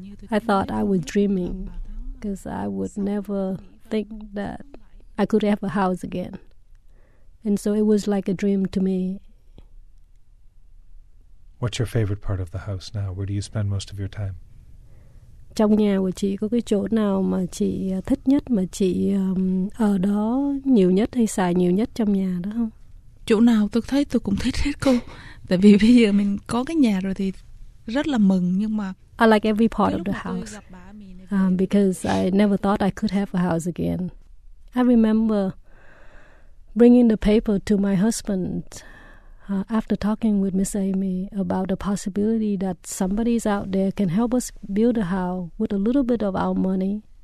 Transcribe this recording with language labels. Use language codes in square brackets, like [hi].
[en] I thought I was dreaming because I would never think that I could have a house again. And so it was like a dream to me. What's your favorite part of the house now? Where do you spend most of your time? [vi] Trong nhà của chị có cái chỗ nào mà chị thích nhất, mà chị ở đó nhiều nhất hay xài nhiều nhất trong nhà đó không? Chỗ nào tôi thấy tôi cũng thích hết cô. Tại vì bây giờ mình có cái nhà rồi thì rất là mừng, nhưng mà... [en] I like every part of the house. Because I never thought I could have a house again. I remember bringing the paper to my husband after talking with Miss Amy about the possibility that somebody's out there can help us build a house with a little bit of our money.